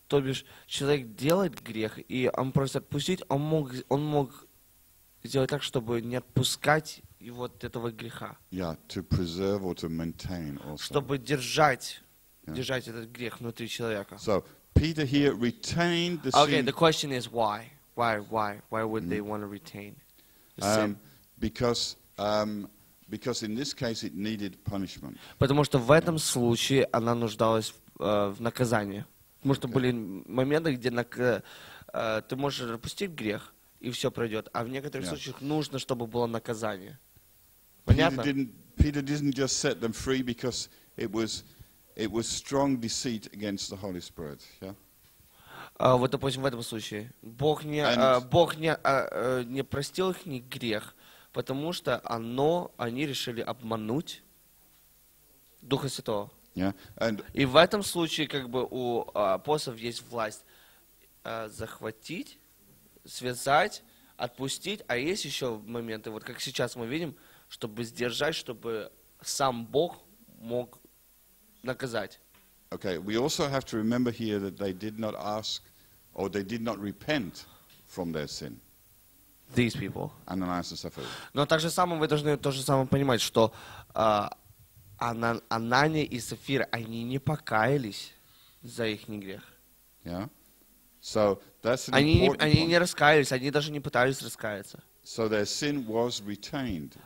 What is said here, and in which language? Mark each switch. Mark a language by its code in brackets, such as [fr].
[ru] То бишь, человек делает грех, и он просит отпустить, он мог сделать так, чтобы не отпускать его от этого греха. [en] Yeah, to preserve or to maintain also. [ru] Чтобы держать этот грех внутри человека. [en] So, Peter here retained the okay, sin. The question is why? Why would they want to retain the sin? Because in this case it needed punishment. [ru] Потому что в этом случае она нуждалась в наказании. Потому что были моменты, где ты можешь отпустить грех, и все пройдет. А в некоторых случаях нужно, чтобы было наказание. Понятно? [en] Peter didn't just set them free, because it was strong deceit against the Holy Spirit. Yeah? [ru] Вот, допустим, в этом случае. Бог не простил их ни грех, потому что они решили обмануть Духа Святого. [en] Yeah. And [ru] и в этом случае как бы у апостолов есть власть захватить, связать, отпустить, а есть еще моменты, вот как сейчас мы видим, чтобы сдержать, чтобы сам Бог мог наказать. [en] Okay, we also have to remember here that they did not ask or they did not repent from their sin. These people. Ananias and Sapphira. [ru] Но также самое вы должны тоже самое понимать, что Анания и Сапфира, они не покаялись за их грех. [en] Yeah. So that's an important point. [ru] Они не раскаялись, они даже не пытались раскаяться. [en] So their sin was retained.